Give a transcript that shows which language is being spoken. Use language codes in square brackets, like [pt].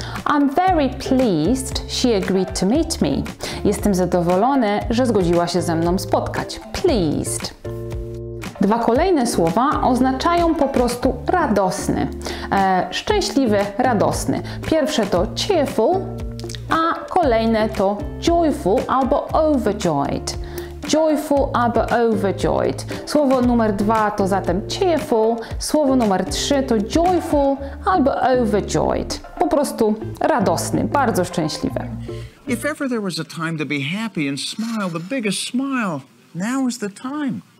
[en] I'm very pleased she agreed to meet me. [pl] Jestem zadowolony, że zgodziła się ze mną spotkać. Pleased. Dwa kolejne słowa oznaczają po prostu radosny. Szczęśliwy, radosny. Pierwsze to cheerful, a kolejne to joyful albo overjoyed. Joyful albo overjoyed. Słowo numer 2 to zatem cheerful. Słowo numer 3 to joyful albo overjoyed. Po prostu radosny, bardzo szczęśliwy. [en] If ever there was a time to be happy and smile, the biggest smile, now is the time.